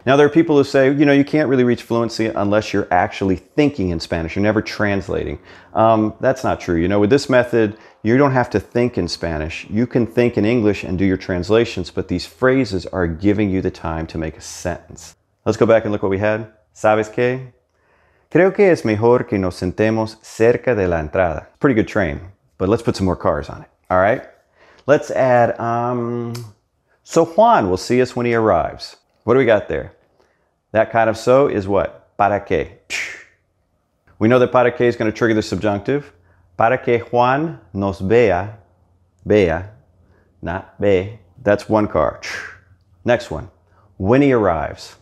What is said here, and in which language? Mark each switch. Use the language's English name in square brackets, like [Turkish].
[English] Now, there are people who say, you know, you can't really reach fluency unless you're actually thinking in Spanish. You're never translating. That's not true. You know, with this method, you don't have to think in Spanish. You can think in English and do your translations, but these phrases are giving you the time to make a sentence. Let's go back and look what we had. [Spanish] ¿Sabes qué? Creo que es mejor que nos sentemos cerca de la entrada. [English] Pretty good train, but let's put some more cars on it. All right? Let's add, so Juan will see us when he arrives. What do we got there? That kind of so is what? [Spanish] Para que. [English] We know that para que is going to trigger the subjunctive. [Spanish] Para que Juan nos vea. Vea. [English] Not ve. That's one car. Next one. When he arrives.